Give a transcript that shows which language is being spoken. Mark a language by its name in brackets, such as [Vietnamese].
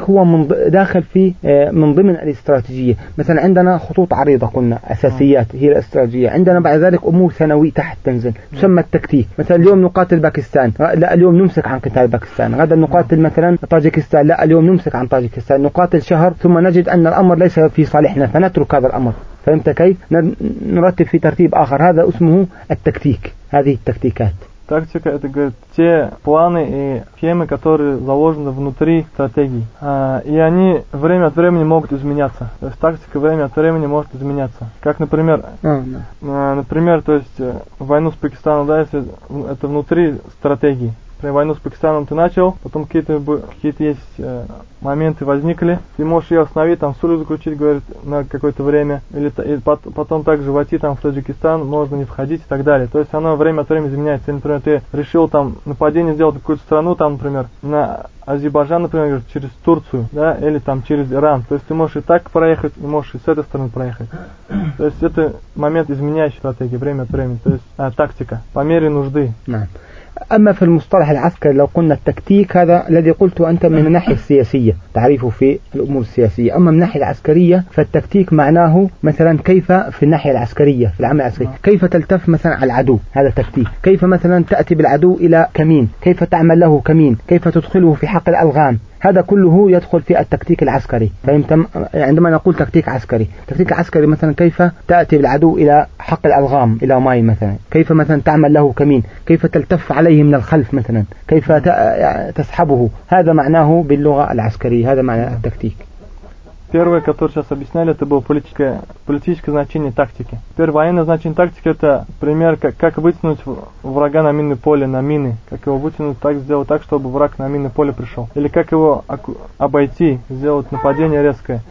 [Arabic] هو داخل في من ضمن الاستراتيجية. مثلا عندنا خطوط عريضة قلنا أساسيات هي الاستراتيجية، عندنا بعد ذلك أمور ثانوية تحت تنزل تسمى التكتيك. مثلا اليوم نقاتل باكستان، لا اليوم نمسك عن قتال باكستان، غدا نقاتل مثلا طاجكستان، لا اليوم نمسك عن طاجكستان، نقاتل شهر ثم نجد أن الأمر ليس في صالحنا فنترك هذا الأمر. فهمت كيف؟ نرتب في ترتيب آخر، هذا اسمه التكتيك. هذه التكتيكات. [Russian] Тактика – это, говорит, те планы и схемы, которые заложены внутри стратегии. И они время от времени могут изменяться. То есть тактика время от времени может изменяться. Как, например, например, то есть войну с Пакистаном, да, если это внутри стратегии. Например, войну с Пакистаном ты начал, потом какие-то есть моменты возникли, ты можешь ее остановить, там сулю заключить, говорит, на какое-то время, или и потом также войти там в Таджикистан, можно не входить и так далее. То есть оно время от времени изменяется. И, например, ты решил там нападение сделать на какую-то страну, там, например, на Азербайджан, например, говорит, через Турцию, да, или там через Иран. То есть ты можешь и так проехать, и можешь и с этой стороны проехать. То есть это момент изменяющей стратегии, время от времени, то есть тактика, по мере нужды. [Arabic] أما في المصطلح العسكري لو قلنا التكتيك هذا الذي قلته أنت من الناحية السياسية تعريفه في الأمور السياسية، أما من الناحية العسكرية فالتكتيك معناه مثلا كيف في الناحية العسكرية في العمل العسكري كيف تلتف مثلا على العدو، هذا التكتيك. كيف مثلا تأتي بالعدو إلى كمين، كيف تعمل له كمين، كيف تدخله في حق الألغام، هذا كله يدخل في التكتيك العسكري. فهمت؟ عندما نقول تكتيك عسكري، تكتيك عسكري مثلا كيف تأتي بالعدو إلى حق الألغام، إلى ماي مثلا، كيف مثلا تعمل له كمين، كيف تلتف عليه من الخلف مثلا، كيف تسحبه، هذا معناه باللغة العسكرية، هذا معنى التكتيك. [Russian] Первое, которое сейчас объясняли, это было политическое значение тактики. Теперь военное значение тактики – это пример, как вытянуть врага на минное поле, на мины. Как его вытянуть, так сделать так, чтобы враг на минное поле пришел. Или как его обойти, сделать нападение резкое.